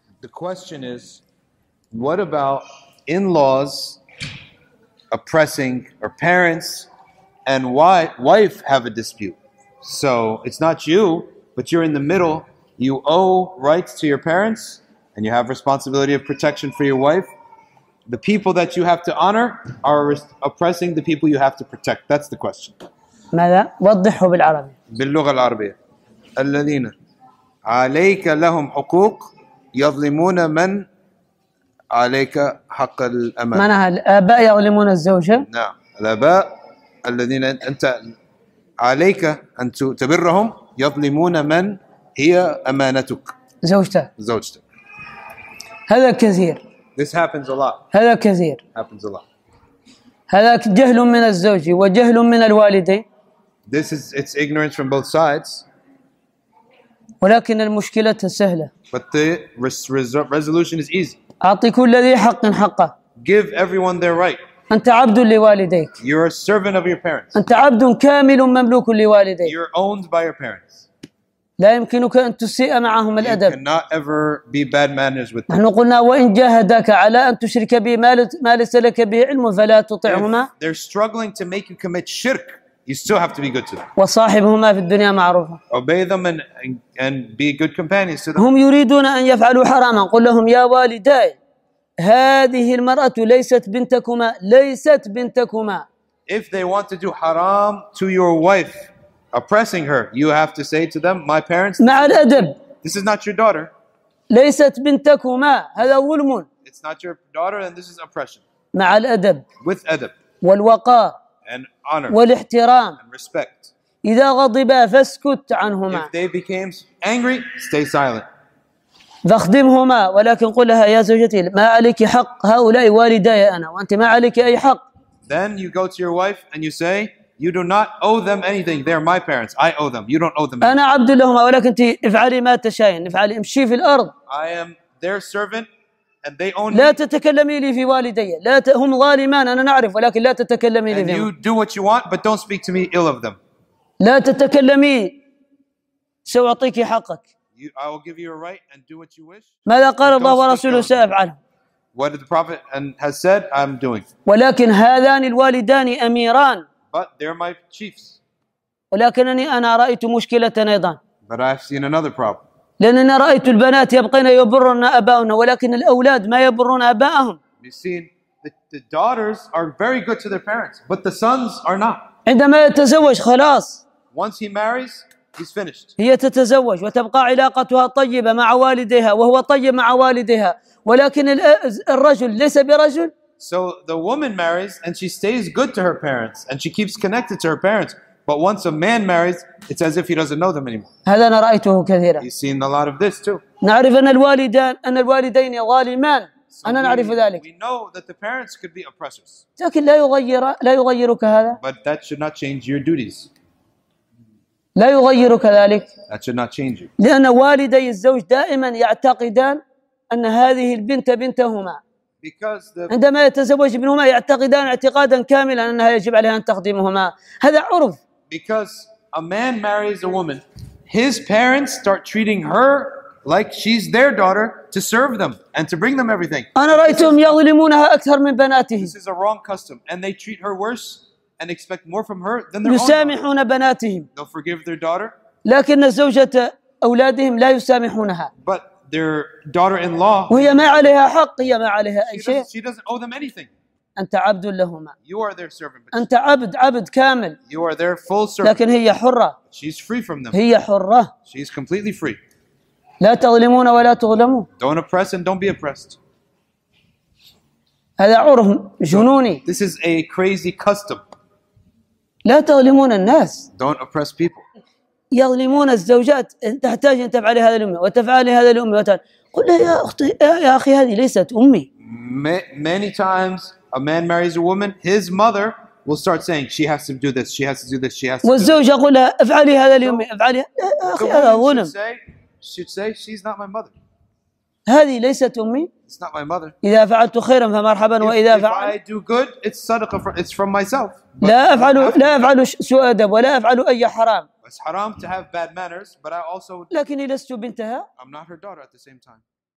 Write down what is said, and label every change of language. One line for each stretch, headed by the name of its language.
English: question is, what about in-laws oppressing or parents and wife have a dispute? So it's not you, but you're in the middle. You owe rights to your parents and you have responsibility of protection for your wife. The people that you have to honor are oppressing the people you have to protect. That's the question.
Arabic: ماذا؟ وضحه بالعربي. باللغة العربية. الذين عليك لهم حقوق يظلمون من عليك حق الأمانة. معناها الآباء يظلمون الزوجة. نعم. الآباء الذين أنت عليك أن تبرهم يظلمون من هي أمانتك. زوجتك. زوجتك. هذا كثير.
English: This happens a lot.
Arabic: هذا كثير.
English: Happens a lot.
Arabic: هذا جهل من الزوج وجهل من الوالدين.
English: This is it's ignorance from both sides.
Arabic: ولكن المشكلة سهلة.
English: But the resolution is easy.
Arabic: أعطي كل ذي حق حقه.
English: Give everyone their right.
Arabic: أنت عبد لوالديك.
English: You're a servant of your parents.
Arabic: أنت عبد كامل مملوك لوالديك.
English: You're owned by your parents.
Arabic: لا يمكنك أن تسيء معهم الأدب.
English: You cannot ever be bad manners with them.
Arabic: نحن قلنا وإن جاهدك على أن تشرك به ما ليس لك به علم فلا تطعهما.
English: If they're struggling to make you commit shirk, you still have to be good to them.
Arabic: وصاحبهما في الدنيا معروفة.
English: Obey them and be good companions to them.
Arabic: هم يريدون أن يفعلوا حراما. قل لهم يا والداي هذه المرأة ليست بنتكما ليست بنتكما.
English: If they want to do haram to your wife, oppressing her, you have to say to them, my parents, this is not your daughter.
Arabic: ليست بنتكما هذا ظلم.
English: It's not your daughter and this is oppression.
Arabic: مع الأدب.
English: With أدب.
Arabic: والوقار.
English: And honor.
Arabic: والاحترام.
English: And respect.
Arabic: إذا غضبا فاسكت عنهما.
English: If they became angry, stay silent.
Arabic: فاخدمهما ولكن قل لها يا زوجتي ما عليك حق هؤلاء والداي أنا وأنت ما عليك أي حق.
English: Then you go to your wife and you say, you do not owe them anything. They're my parents. I owe them. You don't owe them anything.
Arabic: أنا عبد لهما ولكن افعلي ما تشاين. افعلي امشي في الأرض.
English: I am their servant and they own
Arabic: لا تتكلمي لي في والدي. لا هم ظالمان أنا نعرف ولكن لا تتكلمي لي.
English: And you do what you want, but don't speak to me ill of them.
Arabic: لا تتكلمي سأعطيك حقك.
English: I will give you a right and do what you wish.
Arabic: ماذا قال الله ورسوله سأفعله.
English: What did the prophet and has said? I'm doing.
Arabic: ولكن هذان الوالدان أميران.
English: But they're my chiefs.
Arabic: ولكنني أنا رأيت مشكلة أيضا.
English: But I've seen another problem.
Arabic: لأننا رأيت البنات يبقين يبرون أباؤنا ولكن الأولاد ما يبرون أباءهم.
English: You've seen that the daughters are very good to their parents, but the sons are not.
Arabic: عندما يتزوج خلاص.
English: Once he marries, he's finished.
Arabic: هي تتزوج وتبقى علاقتها طيبة مع والدها وهو طيب مع والدها ولكن الرجل ليس برجل.
English: So the woman marries and she stays good to her parents and she keeps connected to her parents. But once a man marries, it's as if he doesn't know them anymore.
Arabic: هذا أنا رأيته كثيرا.
English: You've seen a lot of this too.
Arabic: نعرف أن الوالدان أن الوالدين ظالمان. أنا نعرف ذلك.
English: We know that the parents could be oppressors.
Arabic: لكن لا يغيرك هذا.
English: But that should not change your duties.
Arabic: لا يغيرك ذلك.
English: That should not change you.
Arabic: لأن والدي الزوج دائما يعتقدان أن هذه البنت بنتهما. عندما يتزوج ابنهما يعتقدان اعتقادا كاملا أنها يجب عليها أن تخدمهما. هذا عرف.
English: Because a man marries a woman, his parents start treating her like she's their daughter to serve them and to bring them everything.
Arabic: أنا رأيتهم يظلمونها أكثر من بناته.
English: This is a wrong custom and they treat her worse and expect more from her than their own daughter. They'll forgive their daughter.
Arabic: لكن زوجة أولادهم لا يسامحونها.
English: But their daughter-in-law.
Arabic: وهي ما عليها حق هي ما عليها أي شيء.
English: She doesn't owe them anything.
Arabic: أنت عبد لهما.
English: You are their servant.
Arabic: أنت عبد عبد كامل.
English: You are their full servant.
Arabic: لكن هي حرة.
English: She's free from them.
Arabic: هي حرة.
English: She's completely free.
Arabic: لا تظلمون ولا تظلموا.
English: Don't oppress and don't be oppressed.
Arabic: هذا عرف جنوني.
English: This is a crazy custom.
Arabic: لا تظلمون الناس.
English: Don't oppress people.
Arabic: يظلمون الزوجات تحتاج أن تفعل هذا الأمي وتفعل هذا الأمي وتفعل. قل لها يا أختي يا أخي هذه ليست أمي.
English: Many times a man marries a woman, his mother will start saying she has to do this, she has to do this, she has to.
Arabic: والزوج يقول لها افعلي هذا لأمي افعلي يا أخي هذا ظلم.
English: Should say she's not my mother.
Arabic: هذه ليست أمي.
English: It's not my mother.
Arabic: إذا فعلت خيرا فمرحبا وإذا فعلت.
English: If I do good, it's صدقة it's from myself.
Arabic: لا أفعل سوء أدب ولا أفعل أي حرام.
English: It's haram to have bad manners, but I also
Arabic: لكني لست بنتها.
English: I'm not her daughter at the same time.